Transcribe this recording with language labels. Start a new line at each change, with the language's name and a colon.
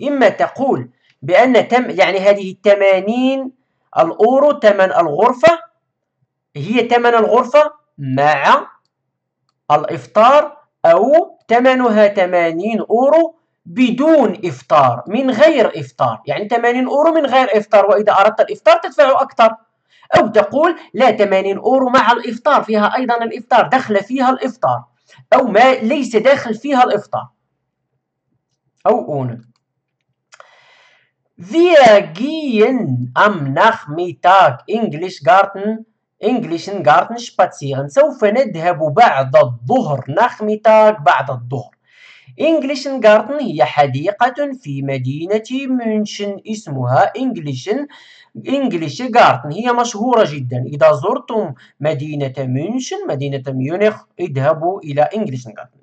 Arabic: إما تقول بأن تم يعني هذه الثمانين الأورو ثمن الغرفة، هي ثمن الغرفة مع الإفطار، أو ثمنها 80 أورو بدون إفطار، من غير إفطار، يعني 80 أورو من غير إفطار، وإذا أردت الإفطار تدفع أكثر. أو تقول لا 80 أورو مع الإفطار، فيها أيضا الإفطار، دخل فيها الإفطار، أو ما ليس داخل فيها الإفطار. أو أون.
German: Wir gehen am Nachmittag English Garten
Arabic: انجليشن غارتن شباتسيغن، سوف نذهب بعد الظهر، نخمتاك بعد الظهر. انجليشن غارتن هي حديقة في مدينة ميونشن اسمها انجليش غارتن، هي مشهورة جدا. إذا زرتم مدينة ميونشن، مدينة ميونخ، اذهبوا إلى انجليشن غارتن.